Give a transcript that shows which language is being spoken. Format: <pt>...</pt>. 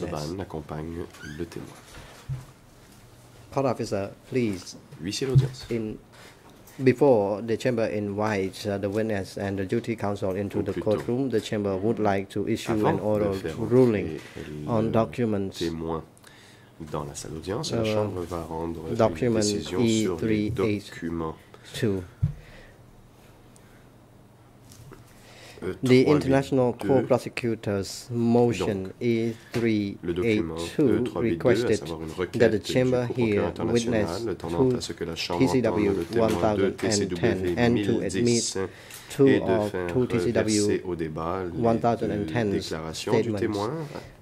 <fr>Mung Sawan accompagne le témoin.</fr> <en>Court officer, please.</en> <fr>Huissier l'audience.</fr> <en>Before the chamber invites the witness and the duty counsel into the courtroom, the chamber would like to issue an oral ruling on documents.</en> <fr>Dans la salle d'audience, la chambre va rendre une décision sur les documents.</fr> <en>The International Court Prosecutor's motion E382 requested that the chamber hear witness to TCW 1010 and to admit two of two TCW 1010's statements.</en>